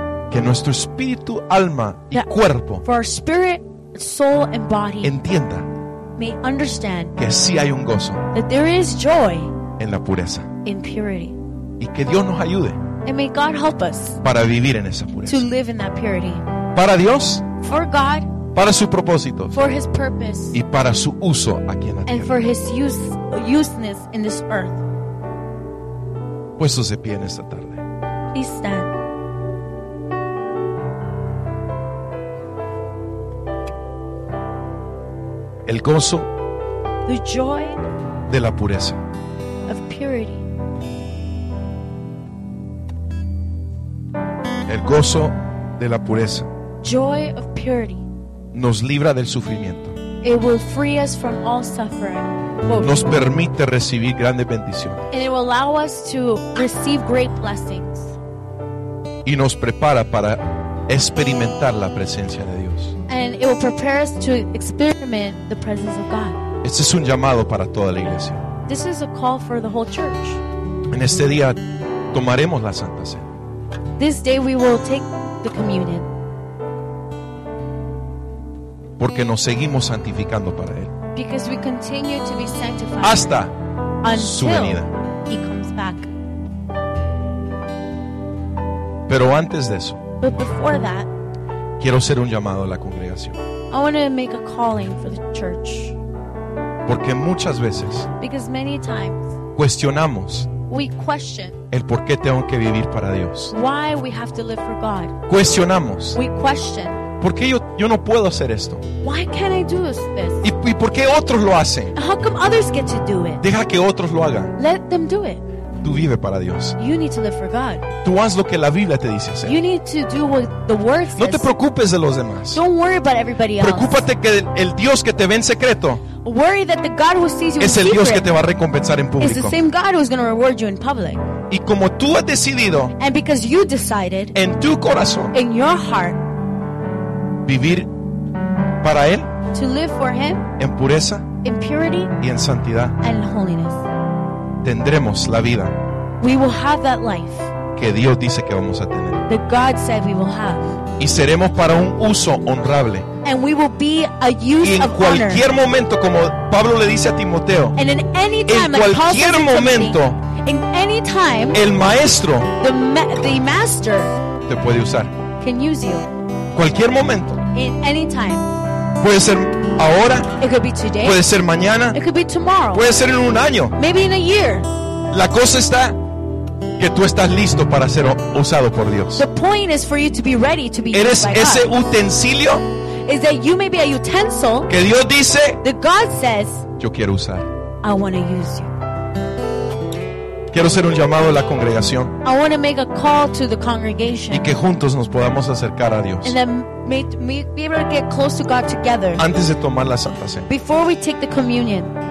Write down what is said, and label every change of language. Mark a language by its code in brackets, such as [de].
[es] que nuestro espíritu, alma y cuerpo, [en] for our spirit, soul and body, [es] entienda, [en] may understand, [es] que sí hay un gozo, [en] that there is joy, [es] en la pureza, [en] in purity, [es] y que Dios nos ayude, [en] and may God help us, [es] para vivir en esa pureza, [en] to live in that purity, [es] para Dios, [en] for God, [es] para su propósito, [en] for his purpose, [es] y para su uso aquí en la [en] and [es] tierra, [en] for his usefulness in this earth. [es] Puestos de pie en esta tarde. [en] Please stand. [es] El gozo, [en] the joy, [es] de la pureza, [en] of purity. [es] El gozo de la pureza, [en] joy of purity, [es] nos libra del sufrimiento. [en] It will free us from all suffering. [es] Nos permite recibir grandes bendiciones. [en] It will allow us to receive great blessings. [es] Y nos prepara para experimentar la presencia de Dios. [en] And it will prepare us to experiment the presence of God. [es] Este es un llamado para toda la iglesia. [en] This is a call for the whole church. [es] En este día tomaremos la Santa Cena. [en] This day we will take the communion. [es] Porque nos seguimos santificando para Él. [en] Because we continue to be sanctified [es] hasta [en] until [es] su venida. [en] He comes back. [es] Pero antes de eso, [en] but before that, [es] quiero hacer un llamado a la congregación. [en] I want to make a calling for the church. [es] Porque muchas veces, [en] because many times, [es] cuestionamos, [en] we question, [es] el por qué tengo que vivir para Dios. [en] Why we have to live for God. [es] Cuestionamos, [en] we question, [es] ¿Por qué yo no puedo hacer esto? [en] Why can't I do this? [es] ¿Y por qué otros lo hacen? [en] How come others get to do it? [es] Deja que otros lo hagan. [en] Let them do it. [es] Tú vive para Dios. [en] You need to live for God. [es] Tú haz lo que la Biblia te dice hacer. [en] You need to do what the word says. [es] No te preocupes de los demás. [en] Don't worry about everybody else. [es] Preocúpate que el Dios que te ve en secreto. [en] Worry that the God who sees you [es] es el Dios que te va a recompensar en público. [en] Is the same God who's going to reward you in public. [es] Y como tú has decidido, [en] and because you decided, [es] en tu corazón, [en] in your heart, [es] vivir para él, [en] to live for him, [es] en pureza, [en] in purity, [es] y en santidad, [en] and in holiness, [es] tendremos la vida. [en] We will have that life [es] que Dios dice que vamos a tener. [en] That God said we will have. [es] Y seremos para un uso honorable. [en] And we will be a use of honor. [es] En cualquier momento, como Pablo le dice a Timoteo, [en] and in any time, [es] en cualquier [en] like [es] momento, [en] in any time, [es] el maestro, [en] the master, [es] te puede usar. [en] Can use you. [es] Cualquier momento. [en] In any time. [es] Puede ser ahora. [en] It could be today. [es] Puede ser mañana. [en] It could be tomorrow. [es] Puede ser en un año. [en] Maybe in a year. [es] La cosa está que tú estás listo para ser usado por Dios. [en] The point is for you to be ready to be used. [es] Eres ese [en] God. [es] Utensilio. [en] Is that you may be a utensil. [es] Que Dios dice. [en] That God says. [es] Yo quiero usar. [en] I want to use you. [es] Quiero hacer un llamado a la congregación. [en] I want to make a call to the congregation. [es] Y que juntos nos podamos acercar a Dios. [en] And then be able to get close to God together. [es] Antes de tomar la Santa Cena. [en] Before we take the communion.